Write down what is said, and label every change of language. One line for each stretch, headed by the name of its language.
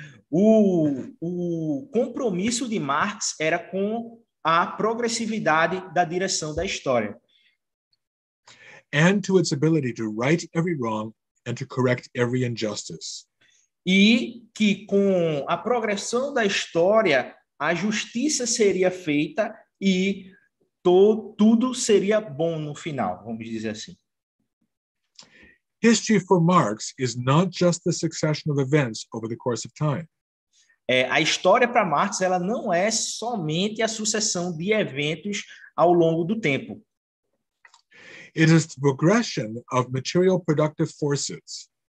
Portuguese: O compromisso de Marx era com a progressividade da direção da história.
English: And to its ability to right every wrong and to correct every injustice.
Portuguese: E que com a progressão da história, a justiça seria feita e tudo seria bom no final, vamos dizer assim.
English: History for Marx is not just the succession of events over the course of time.
Portuguese: É, a história para Marx ela não é somente a sucessão de eventos ao longo do tempo.
English: It is the progression of material productive forces.